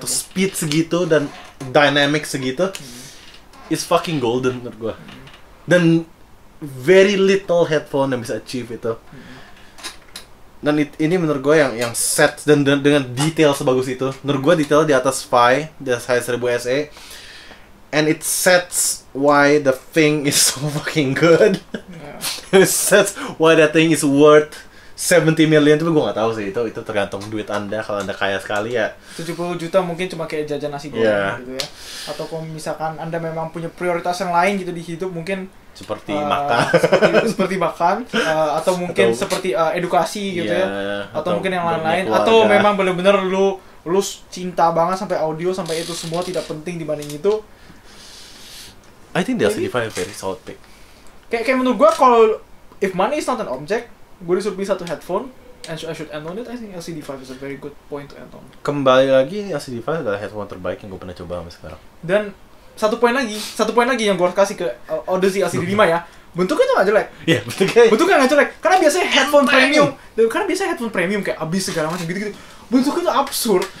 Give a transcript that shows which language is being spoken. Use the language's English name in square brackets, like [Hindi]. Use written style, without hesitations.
[Indonesian] Untuk speed segitu dan dynamic segitu. Mm. [English] It's fucking golden [Indonesian] menurut gue. [English] Dan very little headphone [Indonesian] yang bisa [English] achieve itu. [Indonesian] Dan ini menurut gue yang set dan dengan detail sebagus itu. Menurut gue detail di atas Fi, di atas Hi 1000 SA. [English] And it sets why the thing is so fucking good. Yeah. It sets why that thing is worth 70 million. [Indonesian] Tapi gue gak tahu sih, itu tergantung duit anda. Kalau anda kaya sekali ya 70 juta mungkin cuma kayak jajan nasi goreng, [English] yeah, [Indonesian] gitu ya. Atau kalau misalkan anda memang punya prioritas yang lain gitu di hidup, mungkin seperti makan, seperti makan, atau mungkin atau, seperti edukasi gitu, yeah, ya. Atau mungkin yang lain-lain keluarga. Atau memang benar-benar lu cinta banget sampai audio, sampai itu semua tidak penting dibanding itu. [English] I think the LCD5 a very solid pick. [Indonesian] Kayak menurut gue, kalau [English] if money is not an object, [Indonesian] gue disuruh beli satu headphone [English] and I should end on it, I think LCD5 is a very good point to end on. [Indonesian] Kembali lagi, LCD5 adalah headphone terbaik yang gue pernah coba sampai sekarang. Dan satu poin lagi yang gue harus kasih ke Odyssey LCD5 ya, bentuknya tuh gak jelek. Iya, yeah, bentuknya. Bentuknya gak jelek, karena biasanya headphone premium. Karena biasanya headphone premium kayak abis segala macam gitu-gitu. Bentuknya tuh absurd.